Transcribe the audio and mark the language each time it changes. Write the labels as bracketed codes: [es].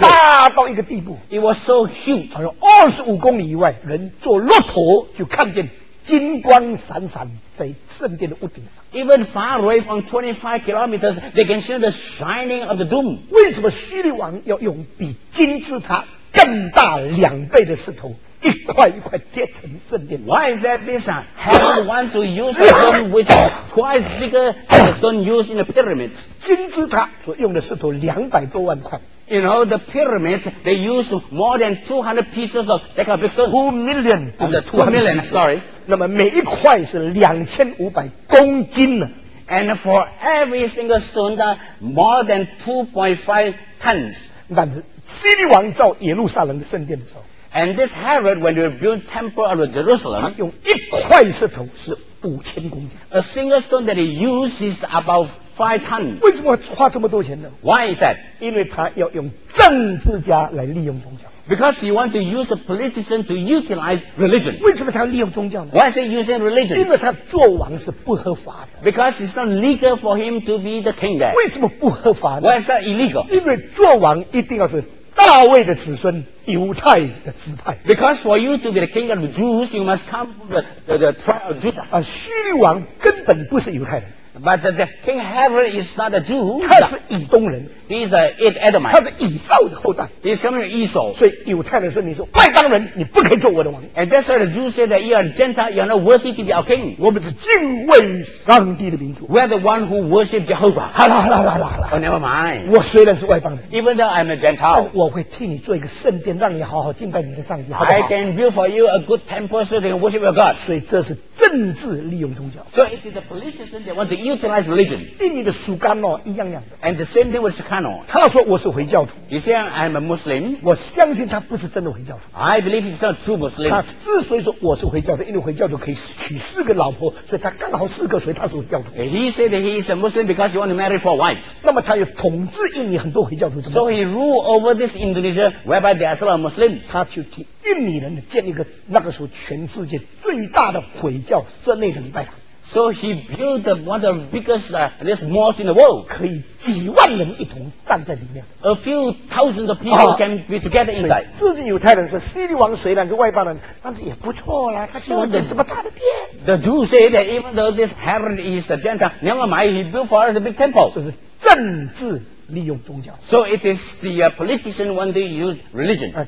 [zh] 大到一个地步 [en] It was so huge [zh] 他说二十五公里以外人坐骆驼就看见金光闪闪在圣殿的屋顶上 [en] Even far away from 25 kilometers they can see the shining of the dome [zh] 为什么叙利王要用比金字塔更大两倍的石头一块一块叠成圣殿 [en] Why is that this Herod want to use a stone which is twice bigger than the stone used in the pyramids [zh] 金字塔所用的石头两百多万块 [en] You know the pyramids they use more than 200 pieces of that kind of big stone 2 million sorry [zh] 那么每一块是2500公斤 [en] And for every single stone that more than 2.5 tons [zh] 但是希律王造耶路撒冷的圣殿的时候 [en] And this Herod, when they build temple of Jerusalem, [zh] 用一块石头是5000公斤 [en] A single stone that he used is about five tons。 [zh] 为什么花这么多钱呢 [en] ？Why is that？ [zh] 因为他要用政治家来利用宗教。 [en] Because he want to use the politician to utilize religion。 [zh] 为什么他要利用宗教呢 [en] ？Why is he using religion？ [zh] 因为他做王是不合法的。 [en] Because it's not legal for him to be the king there。 [zh] 为什么不合法呢 [en] ？Why is that illegal？ [zh] 因为做王一定要是大卫的子孙，犹太的支派。 [en] Because for you to be the king of the Jews, you must come from the tribe of Judah。 [zh] 啊，叙利王根本不是犹太人。 [en] But the King Herod is not a Jew. [zh] 他是以东人。 [en] He's an Edomite. [zh] 他是以扫的后代。 [en] He's coming from Esau. [zh] 所以犹太人说：“你是外邦人，你不可以做我的王。” [en] And that's why the Jews say that you are Gentile, you are not worthy to be our king. [zh] 我们是敬畏上帝的民族。 [en] We are the one who worship Jehovah. [zh] 好了好了好了好了。 [en] Oh, never mind. [zh] 我虽然是外邦人 [en] ，even though I'm a Gentile， [zh] 我会替你做一个圣殿，让你好好敬拜你的上帝，好不 [en] 好 ？I can build for you a good temple so that you worship your God. [zh] 所以这是政治利用宗教。 [en] So it is the politicians that want to. Utilize religion. [zh] 地里的苏甘诺一样样的。 [en] And the same thing with Sukarno. [zh] 他说我是回教徒。 [en] He said I'm a Muslim. [zh] 我相信他不是真的回教徒。 [en] I believe he's not true Muslim. [zh] 他之所以说我是回教徒，因为回教徒可以娶四个老婆，所以他刚好四个，所以他是回教徒。 [en] He said he is a Muslim because he want to marry four wives. [zh] 那么他又统治印尼很多回教徒。 [en] So he rule over this Indonesia whereby there are a lot of Muslims. [zh] 他就替印尼人建立一个那个时候全世界最大的回教这类的礼拜堂。 [en] So he built one of the biggest this mosque in the world. [zh] 可以几万人一同站在里面。 [en] A few thousands of people can be together inside. [zh] 自己犹太人说，希律王虽然是外邦人，但是也不错啦。他希望有这么大的殿。 [en] The Jews say that even though this Herod is a Gentile, never mind, he built for us a big temple. [zh] 这是政治利用宗教。 [en] So it is the politician when they use religion.